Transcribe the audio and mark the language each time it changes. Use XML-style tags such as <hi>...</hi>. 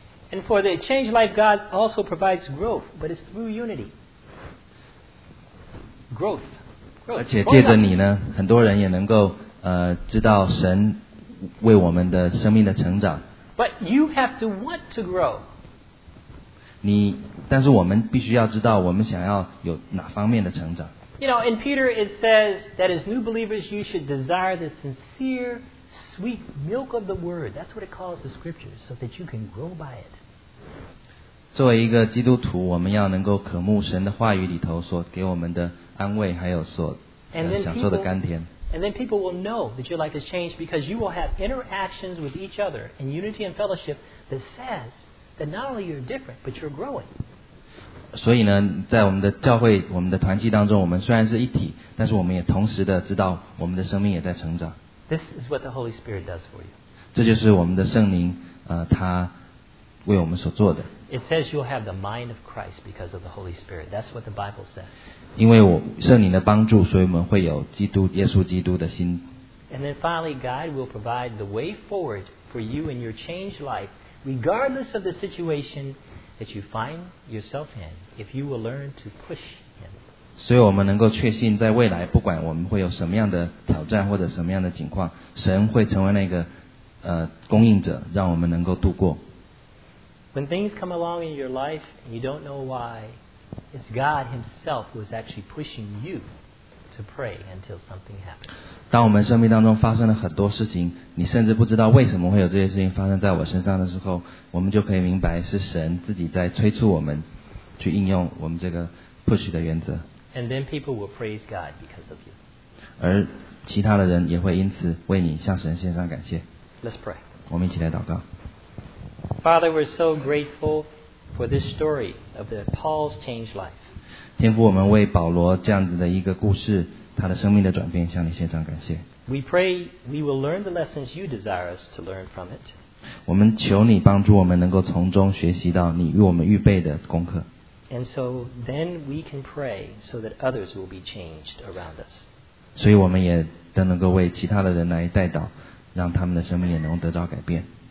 <en>And for the changed life, God also provides growth, but it's through unity. Growth.</en> <zh>而且借着你呢，很多人也能够知道神为我们的生命的成长。</zh> <en>But you have to want to grow.</en> <zh>你，但是我们必须要知道我们想要有哪方面的成长。</zh> <en>You know, in Peter it says that as new believers, you should desire the sincere. Sweet milk of the word. That's what it calls the scriptures, so that you can grow by it.</en> <zh>作为一个基督徒，我们要能够渴慕神的话语里头所给我们的安慰，还有所享受的甘甜。</zh> <en>And then people will know that your life has changed because you will have interactions with each other in unity and fellowship that says that not only you're different, but you're growing.</en> <zh>所以呢，在我们的教会、我们的团契当中，我们虽然是一体，但是我们也同时的知道我们的生命也在成长。</zh> <en>This is what the Holy Spirit does for you.</en> <zh>这就是我们的圣灵，他为我们所做的。</zh> <en>It says you'll have the mind of Christ because of the Holy Spirit. That's what the Bible says.</en> <zh>因为我圣灵的帮助，所以我们会有基督耶稣基督的心。</zh> <en>And then finally, God will provide the way forward for you in your changed life, regardless of the situation that you find yourself in if you will learn to push him.</en> <zh>所以我们能够确信在未来不管我们会有什么样的挑战或者什么样的情况神会成为那个供应者让我们能够度过。</zh> <en>When things come along in your life and you don't know why, it's God himself who is actually pushing you to pray until something happens.</en> <zh>当我们生命当中发生了很多事情你甚至不知道为什么会有这些事情发生在我身上的时候我们就可以明白是神自己在催促我们去应用我们这个 push 的原则。</zh> <en>And then people will praise God because of you.</en> <zh>而其他的人也会因此为你向神献上感谢。</zh> <en>Let's pray.</en> <zh>我们一起来祷告。</zh> <en>Father, we're so grateful for this story of the Paul's changed life.</en> <zh>天父，我们为保罗这样子的一个故事，他的生命的转变，向你献上感谢。</zh> <en>We pray we will learn the lessons you desire us to learn from it.</en> <zh>我们求你帮助我们能够从中学习到你与我们预备的功课。</zh> <en>And so then we can pray so that others will be changed around us.</en> <zh>所以我们也都能够为其他的人来代祷，让他们的生命也能得到改变。</zh>